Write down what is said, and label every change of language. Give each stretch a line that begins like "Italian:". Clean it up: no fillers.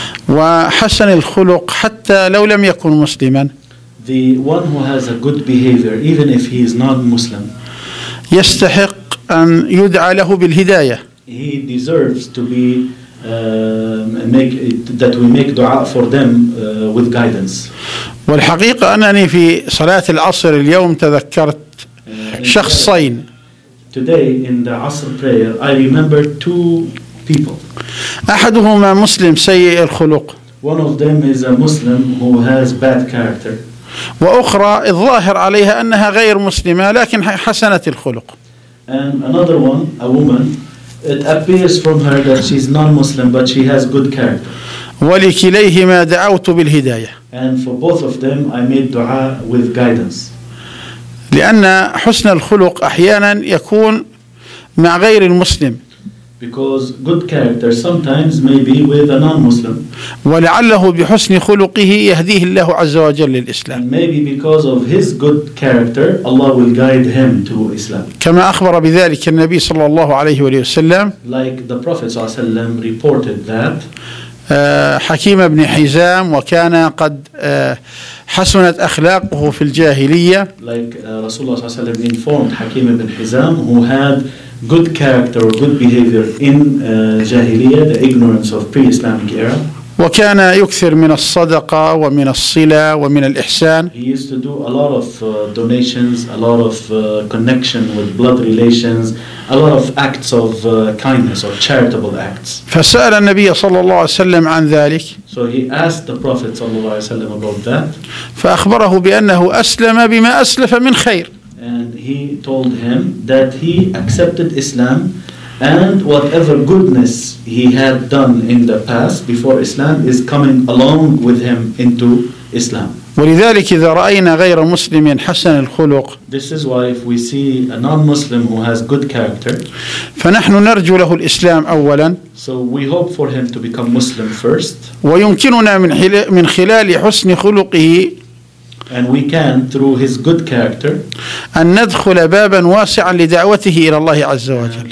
Arabic: وحسن الخلق حتى لو لم يكن مسلما.
English: The one who has a good behavior, even if he is not Muslim.
Arabic: يستحق أن يدعى له بالهداية.
English: He deserves to be that we make dua for them with guidance.
Arabic: والحقيقة أنني في صلاة العصر اليوم تذكرت شخصين.
English: Today in the Asr prayer, I remember two. People.
Arabic: أحدهما مسلم سيء الخلق.
English: One of them is a Muslim who has bad character.
Arabic: وأخرى الظاهر عليها أنها غير مسلمة لكن حسنة الخلق.
English: And another one, a woman, it appears from her that she's non-Muslim but she has good character.
Arabic: ولكليهما دعوت بالهداية.
English: And for both of them, I made dua with guidance.
Arabic: لأن حسن الخلق أحيانا يكون مع غير المسلم.
English: Because good character sometimes may be with a non-Muslim.
Arabic: ولعله بحسن خلقه يهديه الله عز وجل للإسلام.
English: Maybe because of his good character, Allah will guide him to Islam.
Arabic: كما أخبر بذلك النبي صلى الله عليه وسلم.
English: Like the Prophet
Arabic: صلى الله عليه وسلم
English: reported that.
Arabic: حكيم بن حزام وكان قد حسنت أخلاقه في الجاهلية.
English: Like
Arabic: رسول الله صلى الله عليه وسلم
English: informed حكيم بن حزام who had good character or good behavior in جاهلية, the ignorance of pre-Islamic era.
Arabic: وكان يكثر من الصدقة ومن الصلة ومن الإحسان.
English: He used to do a lot of donations, a lot of connection with blood relations, a lot of acts of kindness or charitable acts.
Arabic: فسأل النبي صلى الله عليه وسلم عن ذلك.
English: So he asked the Prophet
Arabic: صلى الله عليه وسلم
English: about that.
Arabic: فأخبره بأنه أسلم بما أسلف من خير.
English: And he told him that he accepted Islam and whatever goodness he had done in the past before Islam is coming along with him into Islam.
Arabic: ولذلك إذا رأينا غير مسلم حسن الخلق.
English: This is why if we see a non-Muslim who has good character.
Arabic: فنحن نرجو له الإسلام أولا.
English: So we hope for him to become Muslim first.
Arabic: ويمكننا من خلال حسن خلقه.
English: And we can, through his good character,
Arabic: أن ندخل بابا واسعا لدعوته إلى الله عز وجل.